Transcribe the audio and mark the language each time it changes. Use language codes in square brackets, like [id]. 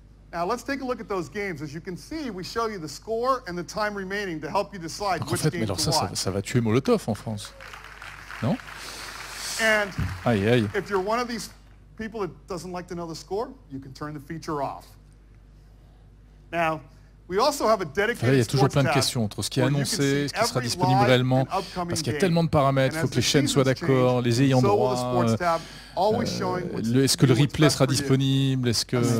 [en] Now let's take a look at those games. As you can see, we show you the score and the time remaining to help you decide which game to watch. [fr] En fait, mais alors ça va tuer Molotov en France, non? [en] And [fr] aïe. [en] If you're one of these people that doesn't like to know the score, you can turn the feature off. Now, [fr] Là, il y a toujours plein de questions entre ce qui est annoncé, ce qui sera disponible réellement, parce qu'il y a tellement de paramètres, il faut que les chaînes soient d'accord, les ayants droit, est-ce que le replay sera disponible, est-ce que...